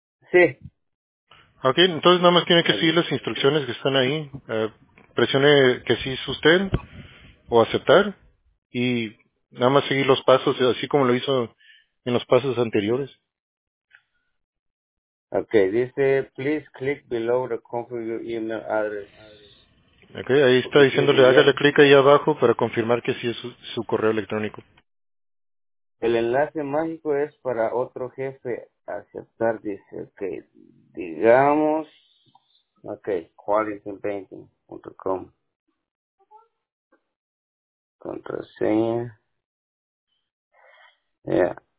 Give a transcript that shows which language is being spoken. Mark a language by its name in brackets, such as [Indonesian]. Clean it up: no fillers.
[Spanish] Sí. Ok, entonces nada más tiene que seguir las instrucciones que están ahí. Presione que sí es usted o aceptar y nada más seguir los pasos así como lo hizo en los pasos anteriores. [English] Ok, [Spanish] dice, [English] please click below to confirm your email address. [Spanish] Ok, ahí está diciéndole, hágale clic ahí abajo para confirmar que sí es su correo electrónico. El enlace mágico es para otro jefe. Aceptar, dice, ok, digamos, ok, qualitypainting.com, contraseña, ya, yeah.